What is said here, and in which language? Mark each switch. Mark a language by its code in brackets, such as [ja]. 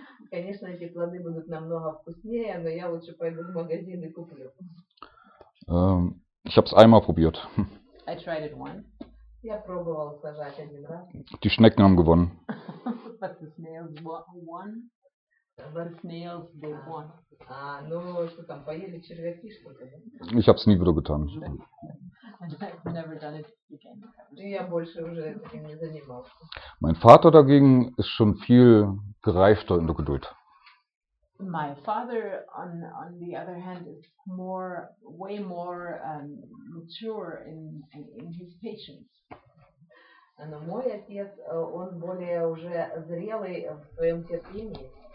[ru] Конечно, эти плоды будут намного вкуснее, но я лучше пойду в магазин и куплю. [de] Ich habe es einmal probiert. [en] I tried it once. [ru] Я пробовал сажать один раз. [de] Die Schnecken haben gewonnen. [en] But the snails won. But snails, they won. [ru] Ну что там, поели червяки что-то? [de] Ich habe es nie wieder getan. [en] I've never done it again. [ru] Я больше уже этим не занимался. [de] Mein Vater dagegen ist schon viel gereifter in der Geduld. [en] My father, on the other hand, is more, way more mature in his patience. [ru] Но мой отец, он более уже зрелый в своем терпении.